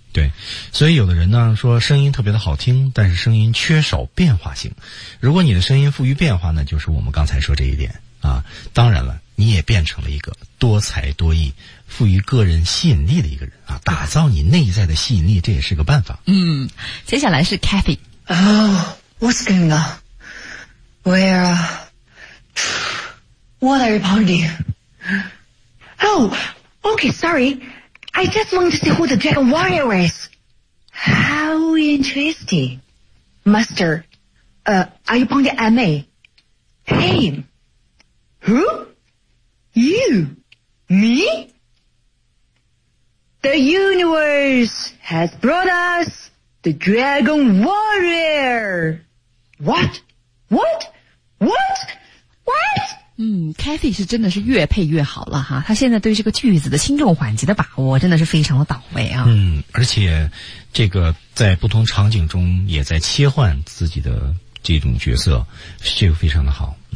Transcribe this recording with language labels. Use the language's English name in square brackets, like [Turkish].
[Chinese] 对，所以有的人呢说声音特别的好听，但是声音缺少变化性。如果你的声音富于变化呢，就是我们刚才说这一点啊。当然了，你也变成了一个多才多艺、富于个人吸引力的一个人啊，打造你内在的吸引力，这也是个办法。嗯，接下来是 Kathy。 [English] Oh, what's going on? Where, what are you pointing? Oh, okay, sorry. I just want to see who the Dragon Warrior is. How interesting. Master, are you pointing at me? Him? Who? You? Me? The universe has brought us the Dragon Warrior. What? What? What? What? [Chinese] 嗯 ，Kathy 是真的是越配越好了哈，他现在对这个句子的轻重缓急的把握真的是非常的到位啊。嗯，而且这个在不同场景中也在切换自己的这种角色，这个非常的好。